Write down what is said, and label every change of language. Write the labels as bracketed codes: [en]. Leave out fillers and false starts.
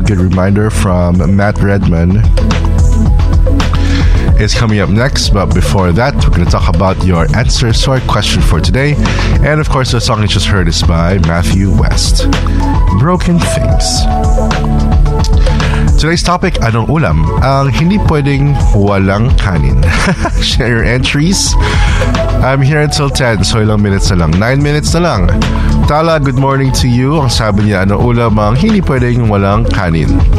[en] Good reminder from Matt Redman. It's coming up next, but before that, we're going to talk about your answers to our question for today. And of course, the song you just heard is by Matthew West, Broken Things. [tl] Today's topic, anong ulam? Ang hindi pwedeng walang kanin. [en] Share your entries. I'm here until 10, so [tl] ilang minutes na lang. [en] 9 minutes na lang. Tala, good morning to you. [tl] Ang sabi niya, anong ulam ang hindi pwedeng walang kanin?